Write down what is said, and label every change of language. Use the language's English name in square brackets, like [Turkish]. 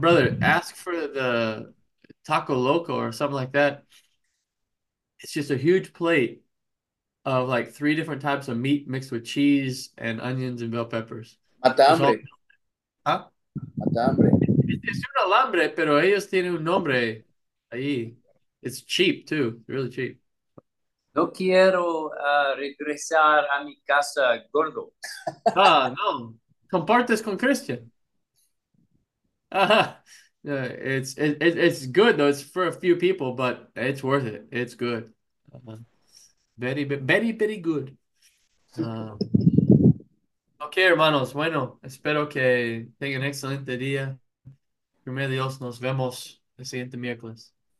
[English] Brother, ask for the taco loco or something like that. It's just a huge plate of like three different types of meat mixed with cheese and onions and bell peppers. [Spanish] Mata [English] Just all. [Spanish] hambre. Huh? Mata hambre. Es un alambre, pero ellos tienen un nombre ahí. [English] It's cheap too, really cheap. [Spanish] No quiero regresar a mi casa, gordo. Ah, no. Compartes con Christian. [English] It's good though, it's for a few people, but it's worth it. It's good. Very good. [Spanish] Okay, hermanos, bueno, espero que tengan un excelente día. Primero Dios, nos vemos el siguiente miércoles.